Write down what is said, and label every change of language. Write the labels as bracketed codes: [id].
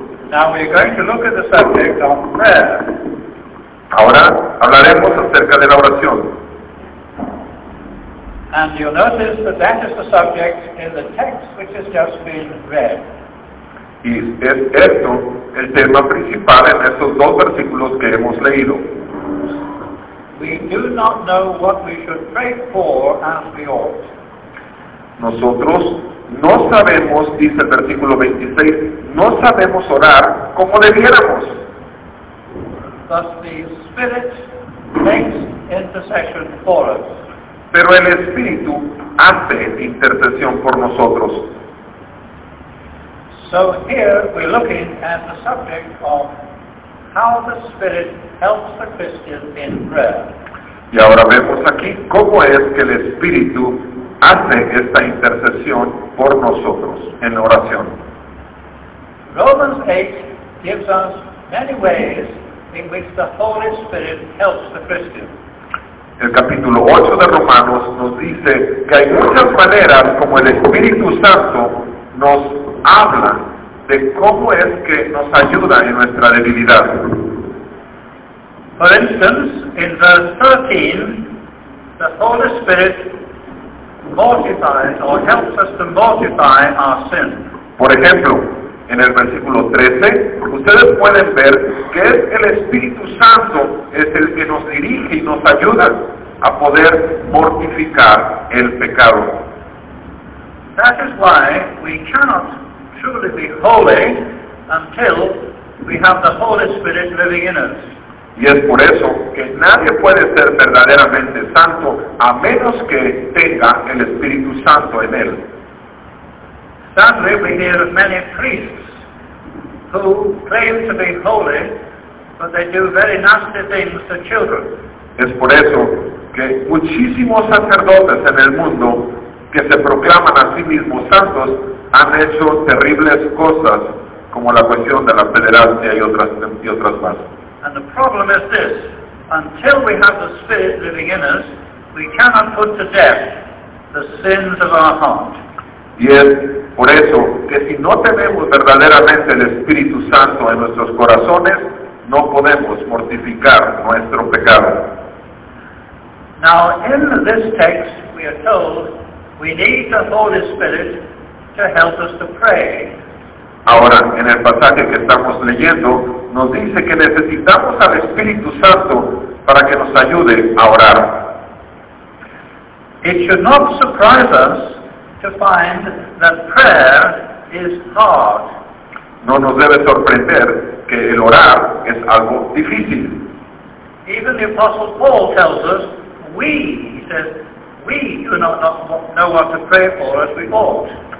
[en] Now we're going to look at the subject of prayer. [es] Ahora hablaremos acerca de la oración. [en] And you'll notice that that is the subject in the text which has just been read. [es] Y es esto el tema principal en estos dos versículos que hemos leído. [en] We do not know what we should pray for as we ought. [es] Nosotros no sabemos, dice el versículo 26, no sabemos orar como debiéramos. [en] Thus the Spirit makes intercession for us. [es] Pero el Espíritu hace intercesión por nosotros. [en] So here we're looking at the subject of how the Spirit helps the Christian in prayer. [es] Y ahora vemos aquí cómo es que el Espíritu hace esta intercesión por nosotros en la oración. [en] Romans 8 gives us many ways in which the Holy Spirit helps the Christian. [es] El capítulo 8 de Romanos nos dice que hay muchas maneras como el Espíritu Santo nos habla de cómo es que nos ayuda en nuestra debilidad. [en] For instance, in verse 13, the Holy Spirit mortifies or helps us to mortify our sin. [es] Por ejemplo, en el versículo 13, ustedes pueden ver que es el Espíritu Santo es el que nos dirige y nos ayuda a poder mortificar el pecado. [en] That is why we cannot truly be holy until we have the Holy Spirit living in us. [es] Y es por eso que nadie puede ser verdaderamente santo a menos que tenga el Espíritu Santo en él. [en] Sadly, we hear of many priests who claim to be holy, but they do very nasty things to children. [es] Es por eso que muchísimos sacerdotes en el mundo que se proclaman a sí mismos santos han hecho terribles cosas, como la cuestión de la pederastia y otras más. [en] And the problem is this: until we have the Spirit living in us, we cannot put to death the sins of our heart. [es] Y es por eso que si no tenemos verdaderamente el Espíritu Santo en nuestros corazones, no podemos mortificar nuestro pecado. [en] Now, in this text, we are told we need the Holy Spirit to help us to pray. [es] Ahora, en el pasaje que estamos leyendo, nos dice que necesitamos al Espíritu Santo para que nos ayude a orar. [en] It should not surprise us to find that prayer is hard. [es] No nos debe sorprender que el orar es algo difícil. [en] Even the Apostle Paul tells us, he says, we do not know what to pray for as we ought.